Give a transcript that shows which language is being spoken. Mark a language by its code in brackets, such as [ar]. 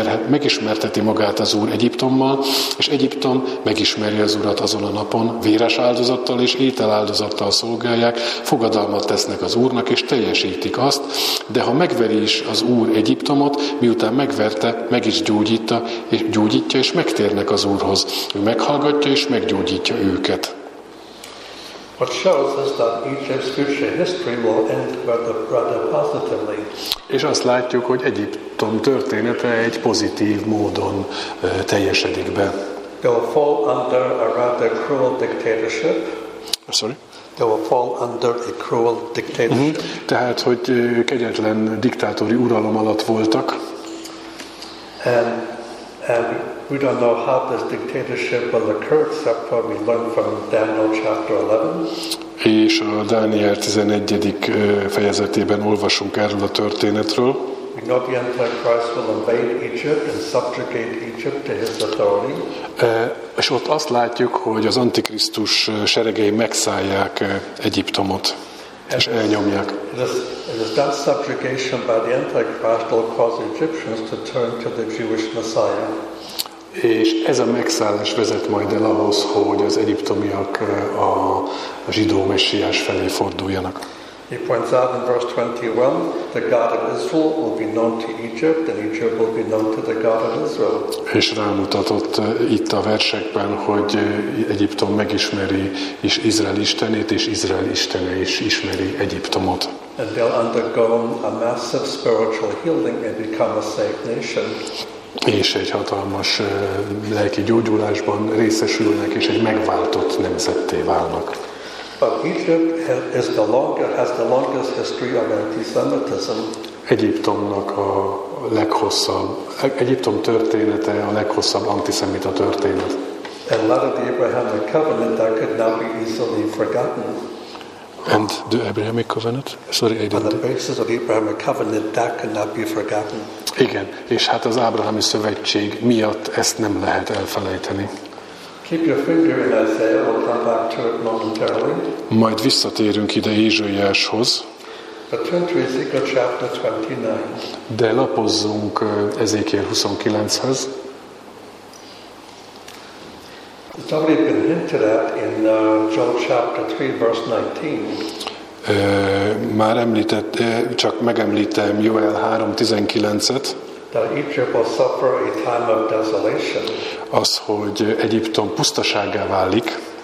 [hu] Megismerteti magát az Úr Egyiptommal, és Egyiptom megismeri az Urat azon a napon, véres áldozattal és ételáldozattal szolgálják, fogadalmat tesznek az Úrnak és teljesítik azt, de ha megveri is az Úr Egyiptomot, miután megverte, meg is gyógyítja és megtérnek az Úrhoz. Meghallgatja és meggyógyítja őket. [en] What shows us that Egypt's future history will end rather positively. [hu] És azt látjuk, hogy Egyiptom története egy pozitív módon teljesedik be. [en] They'll fall under a rather cruel dictatorship. Sorry? They'll fall under a cruel dictatorship. Mm-hmm. [hu] Tehát, hogy kegyetlen diktátori uralom alatt voltak. [en] We don't know how this dictatorship will occur, except for we learn from Daniel chapter 11. [hu] És a Dániel 11. fejezetében olvasunk erről a történetről. [en] We know the Antichrist will invade Egypt and subjugate Egypt to his authority. [hu] És ott azt látjuk, hogy az Antikrisztus seregei megszállják Egyiptomot. És elnyomják. [en] This that subjugation by the Antichrist will cause Egyptians to turn to the Jewish Messiah. [hu] És ez a megszállás vezet majd el ahhoz, hogy az egyiptomiak a zsidó messiás felé forduljanak. [en] He points out in verse 21, the God of Israel will be known to Egypt, and Egypt will be known to the God of Israel. [hu] És rámutatott itt a versekben, hogy Egyiptom megismeri is Izrael istenét, és Izrael istene is ismeri Egyiptomot. [en] And they'll undergo a massive spiritual healing and become a safe nation. [hu] És egy hatalmas lelki gyógyulásban részesülnek, és egy megváltott nemzetté válnak. [en] But Egypt is the longer, has the longest history of antisemitism. [hu] Egyiptomnak a leghosszabb, Egyiptom története a leghosszabb antiszemita történet. [en] And a lot of the Abrahamic covenant that could not be easily forgotten. And the Abrahamic covenant? Sorry, I didn't. On the basis of the Abrahamic covenant that could not be forgotten. [hu] Igen, és hát az ábrahámi szövetség miatt ezt nem lehet elfelejteni. [en] Keep your finger in Isaiah, we'll come back to it momentarily. [hu] Majd visszatérünk ide Ézsaiáshoz. [en] But turn to Ezekiel chapter 29. [hu] De lapozzunk Ezékiel 29-hez. [en] It's already been hinted at in Joel chapter 3 verse 19. [hu] Már említett, csak megemlítem Joel 3:19-et. [en] That Egypt will suffer a time of desolation. [hu] Az, hogy Egyiptom pusztasággá válik.